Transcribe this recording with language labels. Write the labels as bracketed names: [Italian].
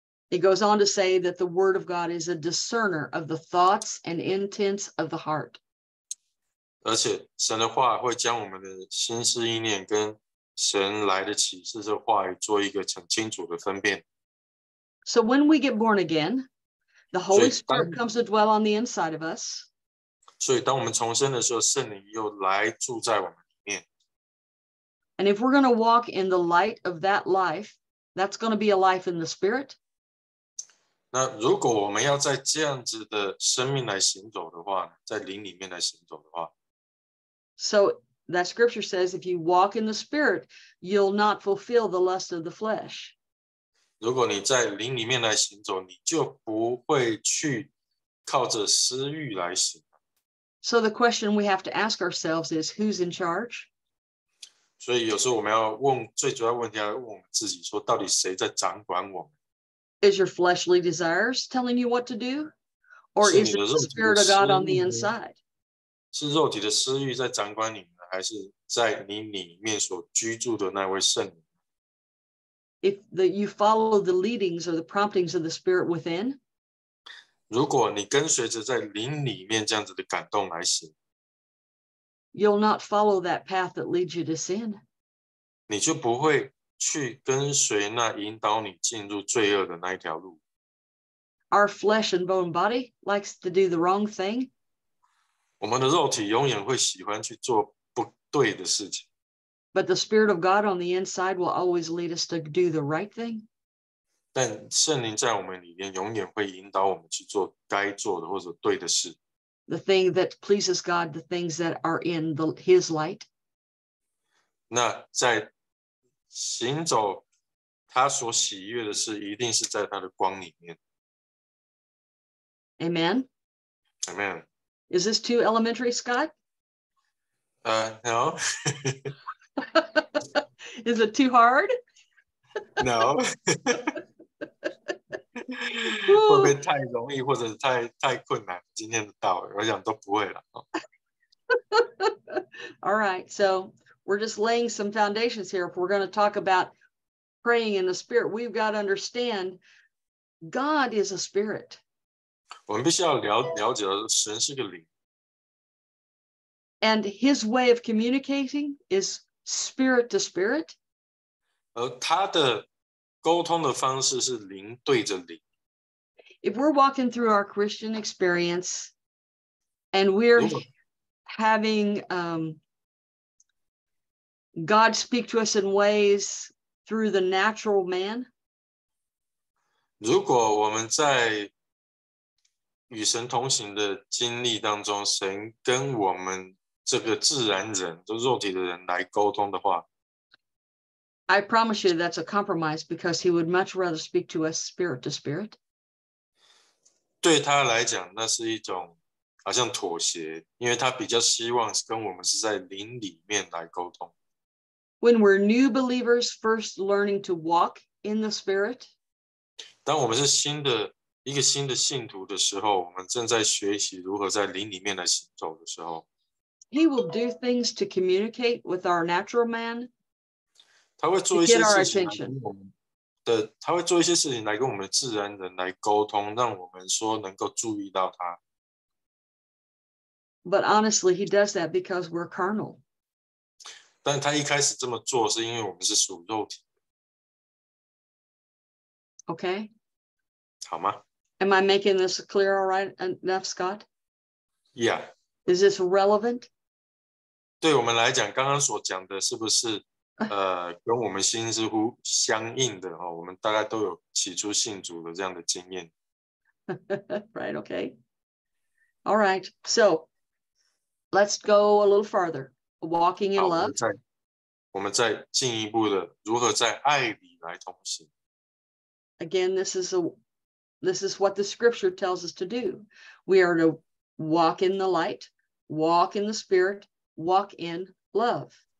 [English] It goes on to say that the word of God is a discerner of the thoughts and intents of the heart. [Chinese] 而且神的话会将我们的心思意念跟神来的启示这话语做一个很清楚的分辨。 [English] So when we get born again, the Holy Spirit comes to dwell on the inside of us. [Chinese] 所以当我们重生的时候，圣灵又来住在我们里面。 [English] And if we're going to walk in the light of that life, that's going to be a life in the spirit. [Chinese] 那如果我们要在这样子的生命来行走的话，在灵里面来行走的话。 [English] So that scripture says, if you walk in the spirit, you'll not fulfill the lust of the flesh. [Chinese] 如果你在灵里面来行走，你就不会去靠着私欲来行。 [English] So the question we have to ask ourselves is, who's in charge? [Chinese] 所以有时候我们要问，最主要问题要问我们自己，说到底谁在掌管我们？ [English] Is your fleshly desires telling you what to do? Or is it the Spirit of God on the inside? [Chinese] 是肉体的私欲在掌管你们，还是在你里面所居住的那位圣灵？ [English] If you follow the leadings or the promptings of the Spirit within, [Chinese] 如果你跟随着在灵里面这样子的感动来行， [English] you'll not follow that path that leads you to sin. [Chinese] 你就不会去跟随那引导你进入罪恶的那一条路。 [English] Our flesh and bone body likes to do the wrong thing. [Chinese] 我们的肉体永远会喜欢去做不对的事情。 [English] But the Spirit of God on the inside will always lead us to do the right thing. [Chinese] 但圣灵在我们里面永远会引导我们去做该做的或者对的事。 [English] The thing that pleases God, the things that are in His light. [Chinese] 那在行走他所喜悦的事一定是在他的光里面。 [English] Amen? Amen. Is this too elementary, Scott? No. Is it too hard? No. [Chinese] 会不会太容易或者太困难？今天的道理，我想都不会了。 [English] All right, so we're just laying some foundations here. If we're going to talk about praying in the spirit, we've got to understand God is a spirit. [Chinese] 我们必须要了解神是个灵。 [English] And his way of communicating is spirit to spirit. [Chinese] 而他的沟通的方式是灵对着灵。 [English] If we're walking through our Christian experience and we're having God speak to us in ways through the natural man. [Chinese] 如果我们在与神同行的经历当中，神跟我们这个自然人，就肉体的人来沟通的话， [English] I promise you that's a compromise because he would much rather speak to us spirit to spirit. [Chinese] 对他来讲，那是一种好像妥协，因为他比较希望跟我们是在灵里面来沟通。 [English] When we're new believers first learning to walk in the Spirit, [Chinese] 当我们是新的一个新的信徒的时候，我们正在学习如何在灵里面来行走的时候， [English] He will do things to communicate with our natural man. [Chinese] 他会做一些事情来跟我们的，他会做一些事情来跟我们自然人来沟通，让我们说能够注意到他。 [English] But honestly, he does that because we're carnal. [Chinese] 但他一开始这么做是因为我们是属肉体。 [English] Okay. [Chinese] 好吗？ [English] Am I making this clear all right enough, Scott? Yeah. Is this relevant? [Chinese] 对我们来讲，刚刚所讲的是不是跟我们心似乎相应的，我们大概都有起初信主的这样的经验。 [English] Right, okay. All right, so let's go a little farther. Walking in love. [Chinese] 我们再进一步的如何在爱里来同行。 [English] Again, this is what the scripture tells us to do. We are to walk in the light, walk in the spirit, walk in love.